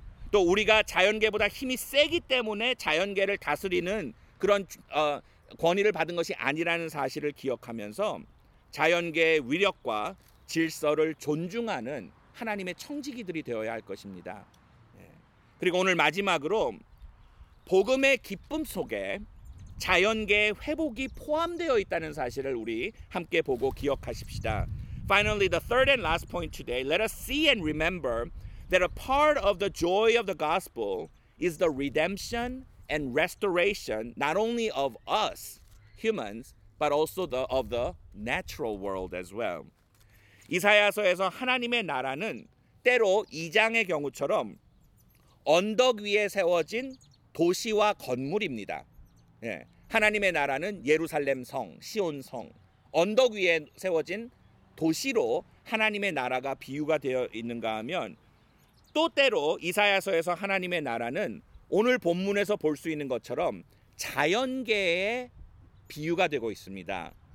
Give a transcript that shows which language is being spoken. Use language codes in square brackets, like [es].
[ko] 또 우리가 자연계보다 힘이 세기 때문에 자연계를 다스리는 그런 권위를 받은 것이 아니라는 사실을 기억하면서 자연계의 위력과 질서를 존중하는 하나님의 청지기들이 되어야 할 것입니다. 그리고 오늘 마지막으로 복음의 기쁨 속에 자연계의 회복이 포함되어 있다는 사실을 우리 함께 보고 기억하십시다. [en] Finally, the third and last point today, let us see and remember that a part of the joy of the gospel is the redemption and restoration, not only of us humans, but also of the natural world as well. [ko] 이사야서에서 하나님의 나라는 때로 2장의 경우처럼 언덕 위에 세워진 도시와 건물입니다. 예, 하나님의 나라는 예루살렘 성, 시온 성, 언덕 위에 세워진 도시로 하나님의 나라가 비유가 되어 있는가 하면, 또 때로 이사야서에서 하나님의 나라는 오늘 본문에서 볼 수 있는 것처럼 자연계의 비유가 되고 있습니다.